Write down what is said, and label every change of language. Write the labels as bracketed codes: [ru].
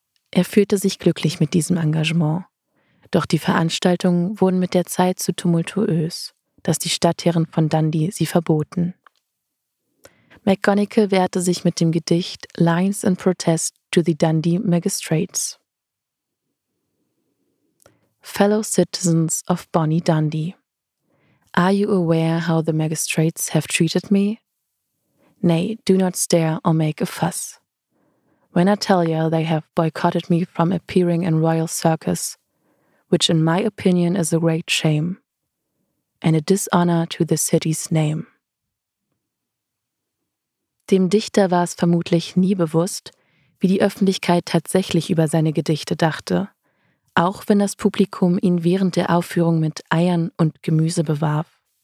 [de] Er fühlte sich glücklich mit diesem Engagement. Doch die Veranstaltungen wurden mit der Zeit zu tumultuös, dass die Stadtherren von Dundee sie verboten. McGonagall wehrte sich mit dem Gedicht Lines in Protest to the Dundee Magistrates. [en] Fellow citizens of Bonnie Dundee, are you aware how the magistrates have treated me? Nay, do not stare or make a fuss. When I tell you they have boycotted me from appearing in Royal Circus, which in my opinion is a great shame and a dishonor to the city's name. [de] Dem Dichter war es vermutlich nie bewusst, wie die Öffentlichkeit tatsächlich über seine Gedichte dachte, auch wenn das Publikum ihn während der Aufführung mit Eiern und Gemüse bewarf.